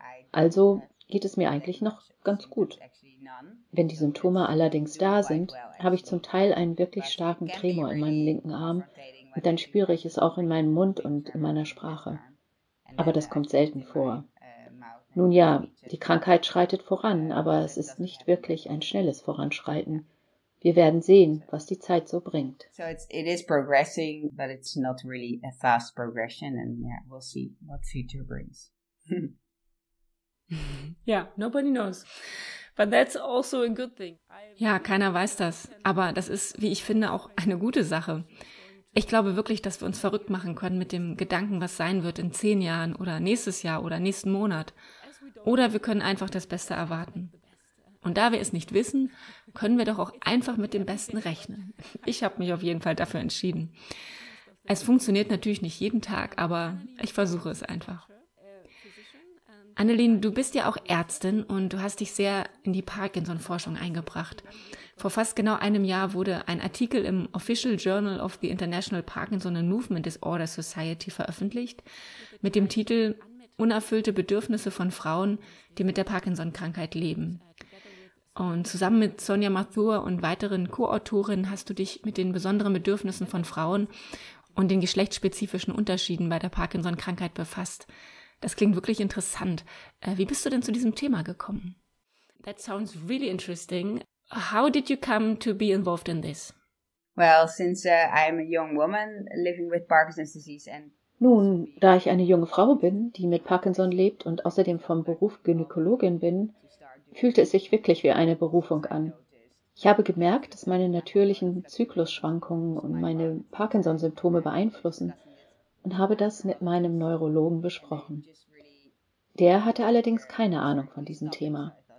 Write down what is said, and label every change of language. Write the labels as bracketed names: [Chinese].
[German] Also geht es mir eigentlich noch ganz gut. Wenn die Symptome allerdings da sind, habe ich zum Teil einen wirklich starken Tremor in meinem linken Arm. Und dann spüre ich es auch in meinem Mund und in meiner Sprache. Aber das kommt selten vor. Nun ja, die Krankheit schreitet voran, aber es ist nicht wirklich ein schnelles Voranschreiten. Wir werden sehen, was die Zeit so bringt. [English] So it is progressing, but it's not really a fast progression. And yeah, we'll see what future brings. Yeah, nobody knows. But that's also a good thing. [German] Ja, keiner weiß das. Aber das ist, wie ich finde, auch eine gute Sache. Ich glaube wirklich, dass wir uns verrückt machen können mit dem Gedanken, was sein wird in 10 Jahren oder nächstes Jahr oder nächsten Monat. Oder wir können einfach das Beste erwarten. Und da wir es nicht wissen, können wir doch auch einfach mit dem Besten rechnen. Ich habe mich auf jeden Fall dafür entschieden. Es funktioniert natürlich nicht jeden Tag, aber ich versuche es einfach. Anneline, du bist ja auch Ärztin und du hast dich sehr in die Parkinson-Forschung eingebracht. Vor fast genau einem Jahr wurde ein Artikel im Official Journal of the International Parkinson and Movement Disorder Society veröffentlicht mit dem Titel Unerfüllte Bedürfnisse von Frauen, die mit der Parkinson-Krankheit leben. Und zusammen mit Sonja Mathur und weiteren Co-Autorinnen hast du dich mit den besonderen Bedürfnissen von Frauen und den geschlechtsspezifischen Unterschieden bei der Parkinson-Krankheit befasst. Das klingt wirklich interessant. Wie bist du denn zu diesem Thema gekommen? [English] That sounds really interesting. How did you come to be involved in this? Well, since I'm a young woman living with Parkinson's disease and... [German] Nun, da ich eine junge Frau bin, die mit Parkinson lebt und außerdem vom Beruf Gynäkologin bin, fühlte es sich wirklich wie eine Berufung an. Ich habe gemerkt, dass meine natürlichen Zyklusschwankungen und meine Parkinson-Symptome beeinflussen und habe das mit meinem Neurologen besprochen. Der hatte allerdings keine Ahnung von diesem Thema.